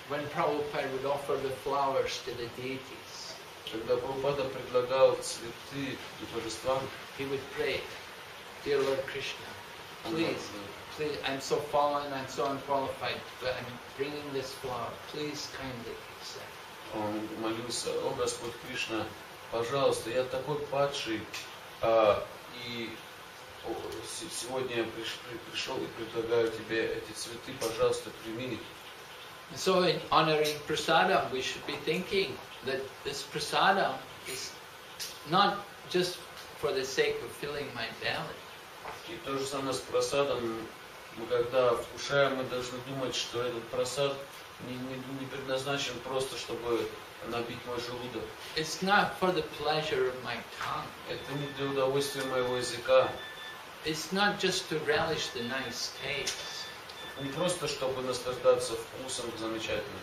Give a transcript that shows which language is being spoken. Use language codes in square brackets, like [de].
[en] When Prabhupada would offer the flowers to the deities. [ru] Когда Прабхупада предлагал цветы божествам, [en] he would pray, dear Lord Krishna, please, I'm so fallen, I'm so unqualified, but I'm bringing this flower, please kindly accept. [ru] Он молился, о Господь Кришна, пожалуйста, я такой падший, и сегодня я пришел и предлагаю тебе эти цветы, пожалуйста, прими их. [en] So in honoring prasada, we should be thinking that this prasada is not just for the sake of filling my belly. [ru] И то же самое с прасадом. Мы когда вкушаем, мы должны думать, что этот прасад не предназначен просто, чтобы набить мой желудок. [en] It's not for the pleasure of my tongue. [ru] Это не для удовольствия моего языка. [en] It's not just to relish the nice taste. [ru] Не просто чтобы наслаждаться вкусом замечательным.